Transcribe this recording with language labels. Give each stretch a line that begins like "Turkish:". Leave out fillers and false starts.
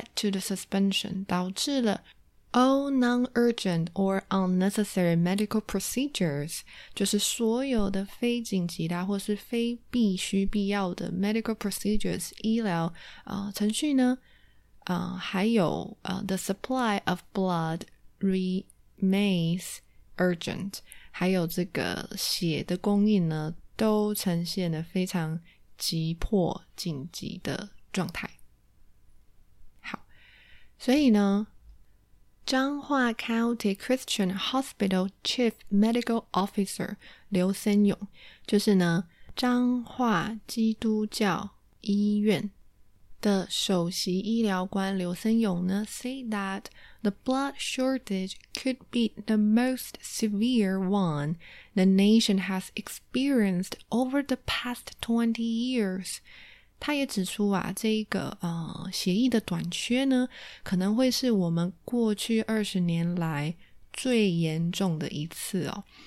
English: the suspension
Chinese: 导致了
English: all non-urgent or unnecessary medical procedures，
Chinese: 就是所有的非紧急的或是非必须必要的 medical procedures 医疗程序呢还有
English: the supply of blood remains urgent，
Chinese: 还有这个血的供应呢都呈现了非常急迫紧急的状态。好，所以呢彰化
English: County Christian Hospital Chief Medical Officer 刘森勇，
Chinese: 就是呢彰化基督教医院的首席医疗官刘森勇呢
English: say that the blood shortage could be the most severe one the nation has experienced over the past 20 years。
Chinese: 他也指出啊，这一个血液的短缺呢，可能会是我们过去20年来最严重的一次哦。